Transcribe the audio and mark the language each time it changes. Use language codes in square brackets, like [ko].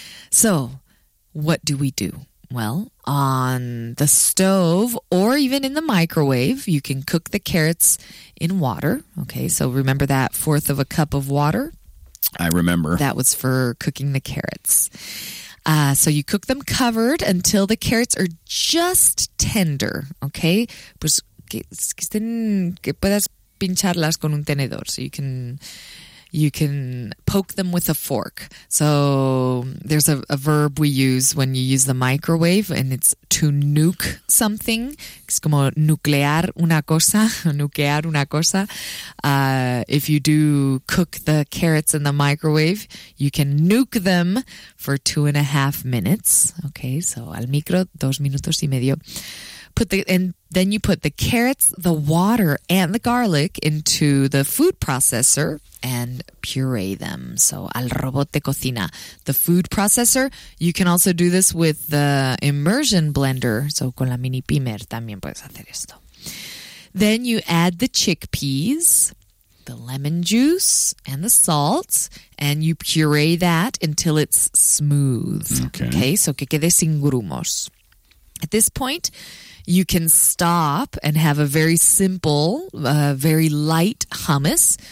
[en] So what do we do? Well, on the stove or even in the microwave, you can cook the carrots in water. Okay, so remember that fourth of a cup of water? I remember. That was for cooking the carrots. So you cook them covered until the carrots are just tender, okay? [es] Pues que estén, que puedas pincharlas con un tenedor. [en] So you can poke them with a fork. So there's a verb we use when you use the microwave, and it's to nuke something. [es] It's como nuclear una cosa, nuquear una cosa. [en] If you do cook the carrots in the microwave, you can nuke them for 2.5 minutes. Okay, so [es] al micro, 2 minutos y medio. [en] Then you put the carrots, the water, and the garlic into the food processor and puree them. So [es] al robot de cocina, [en] the food processor. You can also do this with the immersion blender. [es] So con la mini pimer también puedes hacer esto. [en] Then you add the chickpeas, the lemon juice, and the salt, and you puree that until it's smooth. Okay. [es] So que quede sin grumos. [en] At this point, you can stop and have a very simple, very light hummus.